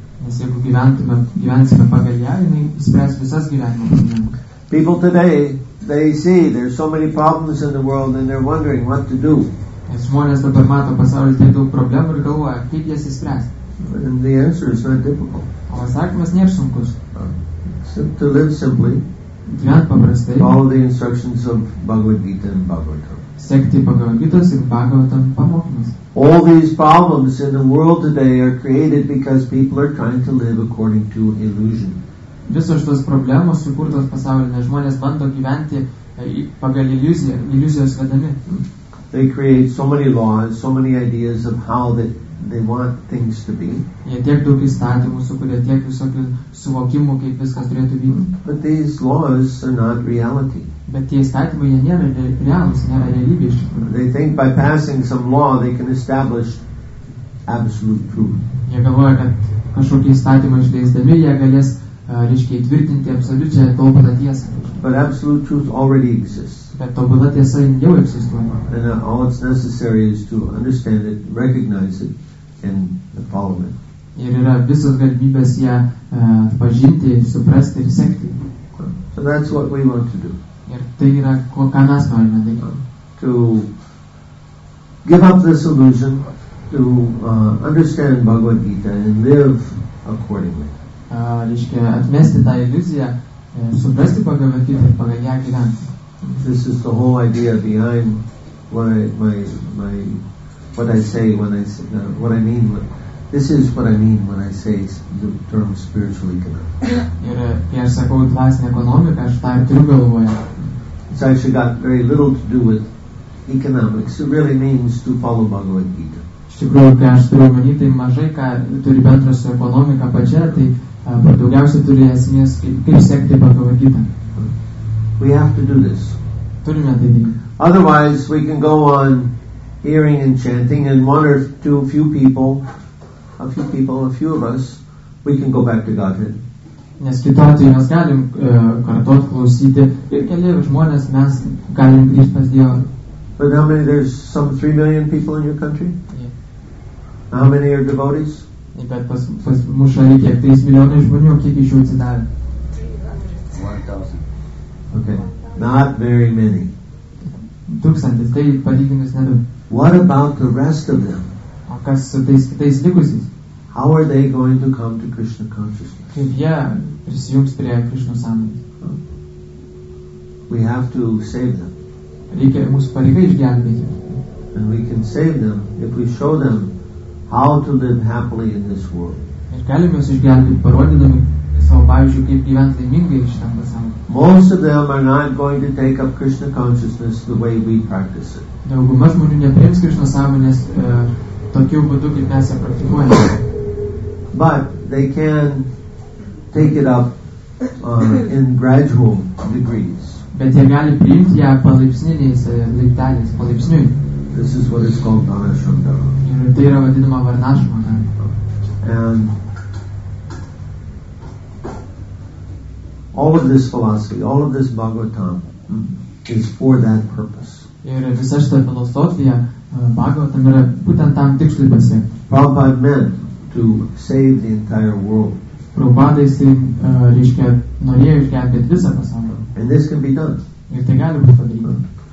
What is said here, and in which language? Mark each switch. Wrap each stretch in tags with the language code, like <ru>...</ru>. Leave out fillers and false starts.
<lt>Nes jeigu gyvensime pagal ją, jinai spręs visas gyvenimo problemas.</lt> <en>People today, they see there's so many problems in the world and they're wondering what to do.</en> <lt>Nes žmonės dabar mato pasaulyje tiek daug problemų ir galvoja, kaip jas išspręsti.</lt> <en>And the answer is not difficult.</en> <lt>O atsakymas nėra sunkus.</lt> <en>To live simply,</en> <lt>gyvent paprastai,</lt> <en>follow the instructions of Bhagavad Gita and Bhagavatam.</en> <lt>Sekti Bhagavad Gita's ir Bhagavatam pamokymus.</lt> <en>All these problems in the world today are created because people are trying to live according to illusion.</en> <lt>Visos tos problemos sukurtos pasaulyje, nes žmonės bando gyventi pagal iliuzijos vedami.</lt> <en>They create so many laws, so many ideas of how they want things to be.</en> <lt>Jie tiek daug įstatymų sukuria, tiek visokių suvokimų, kaip viskas turėtų vykti.</lt> <en>But these laws are not reality.</en> <lt>Bet tie įstatymai, jie nėra realūs, nėra realybė iš tikrųjų.</lt> <en>They think by passing some law they can establish absolute truth.</en> <lt>Jie galvoja, kad kažkokį įstatymą išleisdami jie galės, reiškia, įtvirtinti absoliučią tobulą tiesą.</lt> <en>But absolute truth already exists.</en> <lt>Bet tobulą tiesą jau egzistuoja.</lt> <en>And all that's necessary is to understand it, recognize it, and follow it.</en> <lt>Ir yra visos galimybės ją pažinti, suprasti ir sekti.</lt> <en>So that's what we want to do.</en> <lt>Ir tai yra, ką mes norime daryti.</lt> <en>To give up this illusion, to understand Bhagavad Gita and live accordingly.</en> <lt>Reiškia, atmesti tą iliuziją, suprasti Bhagavad Gita ir pagal ją gyventi.</lt> <en>This is the whole idea behind what I mean when I say the term spiritual economy.</en> <lt>Ir kai aš sakau dvasinė ekonomika, aš tą ir turiu galvoje.</lt> <en>It's actually got very little to do with economics. It really means to follow Bhagavad Gita.</en> <lt>Iš tikrųjų, kai aš turiu manyti, tai mažai ką turi bendra su ekonomika pačia, tai daugiausiai turi esmės, kaip sekti Bhagavad Gita.</lt> <en>We have to do this.</en> <lt>Turime tai daryti.</lt> <en>Otherwise, we can go on hearing and chanting, and one or two, a few of us, we can go back to Godhead.</en> <lt>Nes kitu atveju mes galim kartot, klausyti, ir keli žmonės mes galim grįžti pas Dievą.</lt> <en>But how many, there's some 3 million people in your country? Yeah. How many are devotees?</en> <lt>Bet pas mūsų šalį kiek 3 milijonai žmonių, kiek iš jų atsidarė?</lt> <en>1,000. Okay, not very many.</en> <lt>1,000, tai palyginus nedaug.</lt> <en>What about the rest of them?</en> <lt>O kas su tais kitais likusiais?</lt> <en>How are they going to come to Krishna consciousness?</en> <lt>Kaip jie prisijungs prie Krishna sąmonės?</lt> <en>We have to save them.</en> <lt>Reikia mūsų pareiga išgelbėti.</lt> <en>And we can save them if we show them how to live happily in this world.</en> <lt>Ir galim juos išgelbėti, parodydami savo pavyzdžių, kaip gyventi laimingai šitam pasaulyje.</lt> <en>Most of them are not going to take up Krishna consciousness the way we practice it.</en> <lt>Dauguma žmonių nepriims Krishna sąmonės tokiu būdu, kaip mes ją praktikuojame.</lt> <en>But they can take it up in gradual degrees.</en> <lt>Bet jie gali priimti ją palaipsniniais laipteliais, palaipsniui.</lt> <en>This is what is called Varnashrama.</en> <lt>Tai yra vadinama Varnashrama.</lt> <en>And all of this philosophy, all of this Bhagavatam is for that purpose.</en> <lt>Ir visa šita filosofija Bhagavatam yra būtent tam tikslui pasiekti.</lt> <en>Prabhupada meant to save the entire world.</en> <lt>Prabhupada reiškia norėjo išgelbėti visą pasaulį.</lt> <en>And this can be done.</en> <lt>Ir tai gali būti padaryta.</lt>